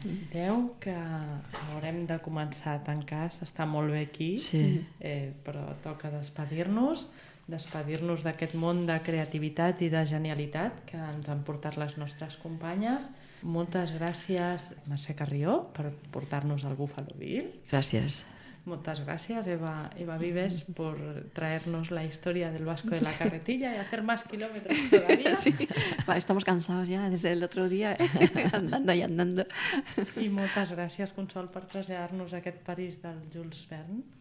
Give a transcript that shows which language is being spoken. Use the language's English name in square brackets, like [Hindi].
[Catalan] 10, que haurem de començar a tancar, s'està molt bé aquí, però toca despedir-nos d'aquest món de creativitat i de genialitat que ens han portat les nostres companyes. Moltes gràcies, Mercè Carrió, per portar-nos al Buffalo Bill. Gràcies. Moltes gràcies, Eva Vives, per traer-nos la història del Vasco de la Carretilla i fer més quilòmetres todavía. [Spanish] Sí, va, estamos cansados ya desde el otro día, andando y andando. [Catalan] I moltes gràcies, Consol, per traslladar-nos a aquest París del Jules Verne.